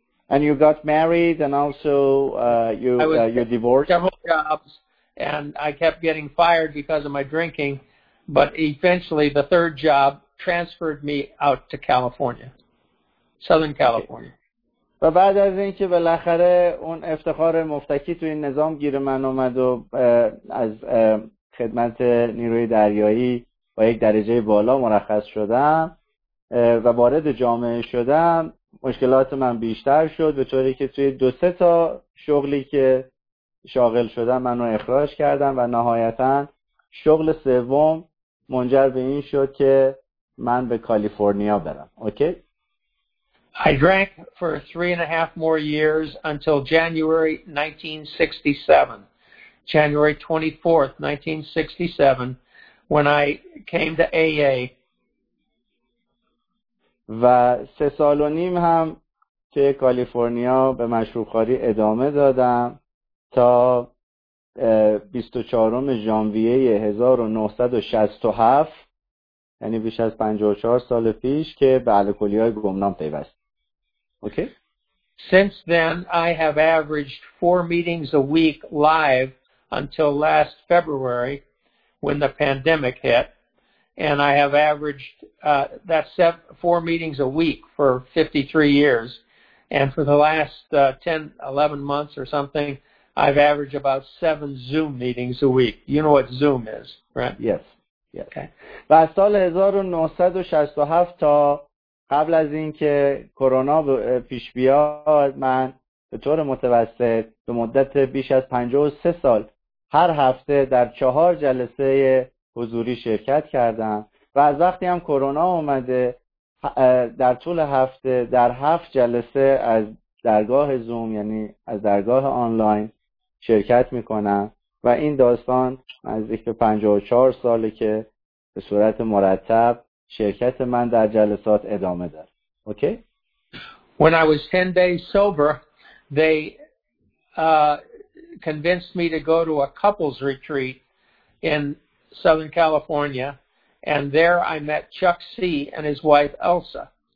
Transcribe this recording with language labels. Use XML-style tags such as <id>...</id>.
<en>And you got married, and also you divorced? I was several jobs, and I kept getting fired because of my drinking. But eventually, the third job transferred me out to California, Southern California.</en> <fa>و بعد از اینکه بالاخره اون افتخار مفتکی تو این نظام گیر من اومد و از خدمت نیروی دریایی با یک درجه بالا مرخص شدم و وارد جامعه شدم، مشکلات من بیشتر شد به طوری که توی دو سه تا شغلی که شاغل شدن منو اخراج کردن و نهایتاً شغل سوم منجر به این شد که من به کالیفرنیا برم.</fa> <en>Okay? I drank for 3.5 more years until January 1967. January 24th, 1967 when I came to AA.</en> <fa>و 3 سال و نیم هم توی کالیفرنیا به مشروب‌خواری ادامه دادم تا 24 ژانویه 1967، یعنی بیش از 54 سال پیش، که به الکلی‌های گمنام پیوست.</fa> <en>Okay? Since then I have averaged 4 meetings a week live until last February when the pandemic hit, and I have averaged that's 4 meetings a week for 53 years. And for the last 10, 11 months or something, I've averaged about 7 Zoom meetings a week. You know what Zoom is, right? Yes. Yes. Okay.</en> <fa>و از سال 1967 تا قبل از اینکه کرونا پیش بیاد، من به طور متوسط به مدت بیش از 53 سال هر هفته در 4 جلسه حضوری شرکت کردم و از وقتی هم کرونا اومده در طول هفته در 7 جلسه از درگاه زوم، یعنی از درگاه آنلاین شرکت میکنم و این داستان از اینکه 54 ساله که به صورت مرتب شرکت من در جلسات ادامه داره.</fa> <en>Okay? When I was 10 days sober, they convinced me to go to a couples retreat in Southern California. And there I met Chuck C. and his wife Elsa.</en>